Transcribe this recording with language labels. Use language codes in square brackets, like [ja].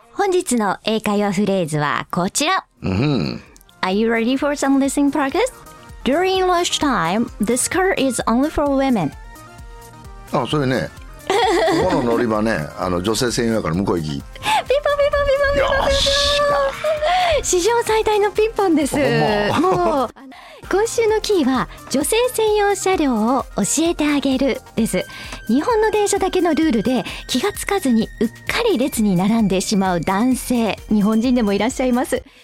[ja] 本日の英会話フレーズはこちら。 [en] Are you ready for some listening practice? During lunch time, the skirt is only for women. [ja] あ、それね。ここの乗り場ね、あの女性専用やから向こう行き。ピンポンピンポンピンポンピンポンピンポン。史上最大のピンポンです。もう今週のキーは女性専用車両を教えてあげるです。日本の電車だけのルールで気がつかずにうっかり列に並んでしまう男性、日本人でもいらっしゃいます。